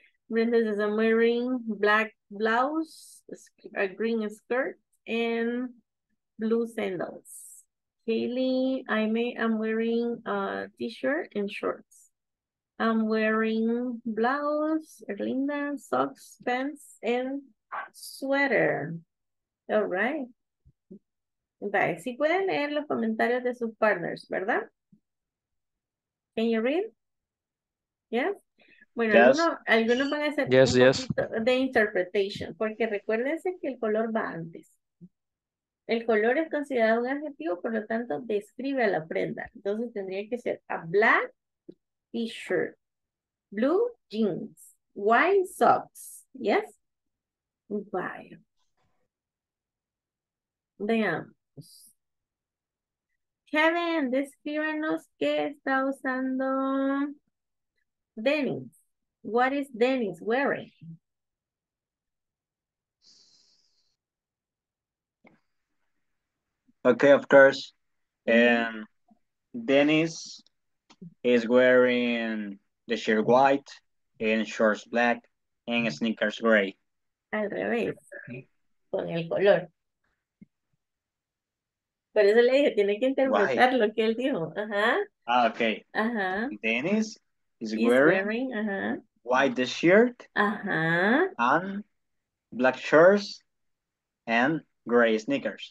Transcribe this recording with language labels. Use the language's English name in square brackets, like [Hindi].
[English] Brenda says, I'm wearing black blouse, a green skirt, and blue sandals. Kaylee, I'm wearing a t-shirt and shorts. I'm wearing blouse, Erlinda, socks, pants, and sweater. All right. [Spanish] Okay, si pueden leer los comentarios de sus partners, ¿verdad? [English] Can you read? Yes. [Spanish] Bueno, [English] yes. [Spanish] Algunos van a hacer un poquito de interpretation, porque recuérdense que el color va antes. El color es considerado un adjetivo, por lo tanto, describe a la prenda. Entonces, tendría que ser [English] a black t-shirt, blue jeans, white socks. Yes? Why? [Spanish] Veamos. Kevin, descríbanos qué está usando Dennis. [English] What is Dennis wearing? Okay, of course. And Dennis is wearing the shirt white and shorts black and sneakers gray. [Spanish] Al revés. Con el color. Por eso le dije, tiene que interpretar lo que él dijo. Ajá. Ah, okay. Ajá. [English] Dennis is wearing white the shirt. Ajá. And black shorts and gray sneakers.